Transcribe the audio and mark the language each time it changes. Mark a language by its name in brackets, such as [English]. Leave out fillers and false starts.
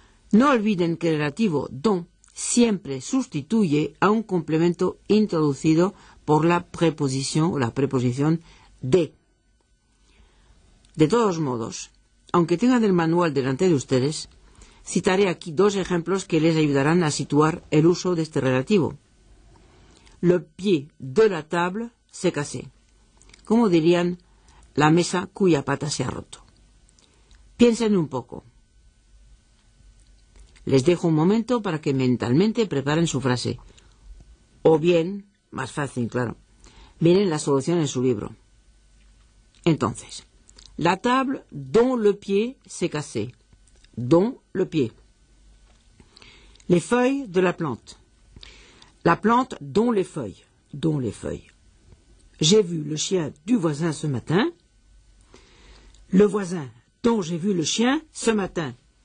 [Spanish] No olviden que el relativo don siempre sustituye a un complemento introducido por la preposición o la preposición de. De todos modos, aunque tengan el manual delante de ustedes, citaré aquí dos ejemplos que les ayudarán a situar el uso de este relativo. [French] Le pied de la table s'est cassé. [Spanish] ¿Cómo dirían la mesa cuya pata se ha roto? Piensen un poco. Les dejo un momento para que mentalmente preparen su frase. O bien, más fácil, claro, miren la solución en su libro. Entonces, [French] la table dont le pied s'est cassé. Dont le pied. Les feuilles de la plante. La plante dont les feuilles. Dont les feuilles. J'ai vu le chien du voisin ce matin. Le voisin dont j'ai vu le chien ce matin.